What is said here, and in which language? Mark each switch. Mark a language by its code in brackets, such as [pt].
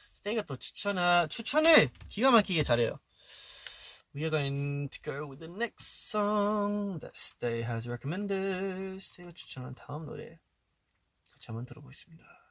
[ko] 스테이가 또 추천을 기가 막히게 잘해요. [en] We are going to go with the next song that Stay has recommended. [ko] 스테이가 추천한 다음 노래 같이 한번 들어보겠습니다.